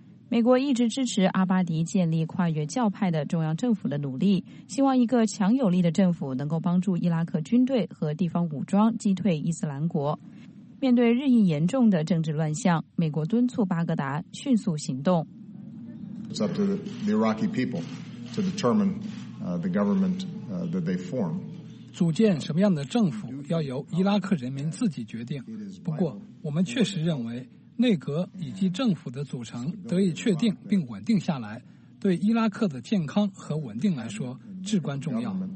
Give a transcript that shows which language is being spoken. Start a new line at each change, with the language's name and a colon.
Chinese: 美国一直支持阿巴迪建立跨越教派的中央政府的努力，希望一个强有力的政府能够帮助伊拉克军队和地方武装击退伊斯兰国。面对日益严重的政治乱象，美国敦促巴格达迅速行动。
English: It's up to the Iraqi people to determine the government that they form.
Chinese: 组建什么样的政府要由伊拉克人民自己决定。不过，我们确实认为内阁以及政府的组成得以确定并稳定下来，对伊拉克的健康和稳定来说至关重要。